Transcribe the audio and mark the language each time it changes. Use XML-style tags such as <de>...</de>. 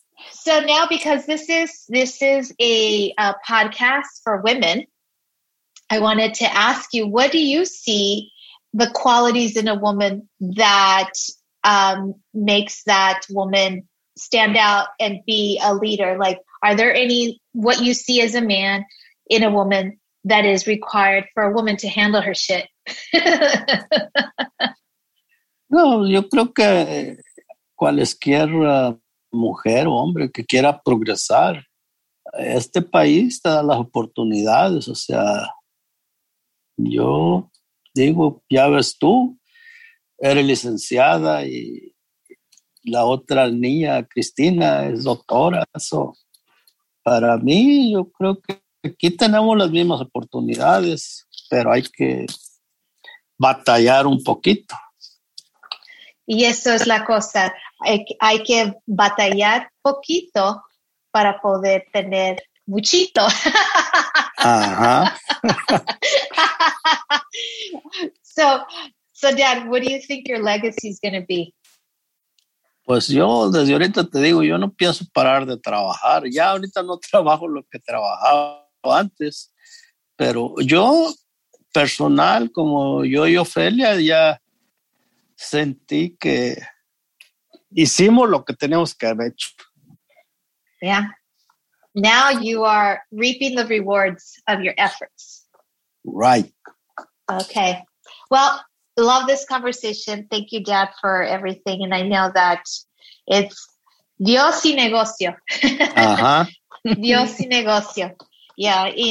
<en>So now, because this is a podcast for women, I wanted to ask you, what do you see the qualities in a woman that makes that woman stand out and be a leader? Like, are there any, what you see as a man in a woman that is required for a woman to handle her shit?</en> <es>No, yo creo que cualquier mujer o hombre que quiera progresar, este país te da las oportunidades. O sea, yo digo, ya ves tú, eres licenciada y la otra niña, Cristina, es doctora. So, para mí, yo creo que aquí tenemos las mismas oportunidades, pero hay que batallar un poquito. Y eso es la cosa. Hay que batallar poquito para poder tener muchito. Ajá.</es> <en>So, Dad, what do you think your legacy is going to be?</en> <es>Pues yo desde ahorita te digo, yo no pienso parar de trabajar. Ya ahorita no trabajo lo que trabajaba antes. Pero yo, personal, como yo y Ofelia, ya sentí que hicimos lo que teníamos que haber hecho.</es> <en>Yeah. Now you are reaping the rewards of your efforts. Right. Okay. Well, love this conversation. Thank you, Dad, for everything. And I know that it's</en> <es>Dios y negocio. Dios y negocio. Yeah.</es>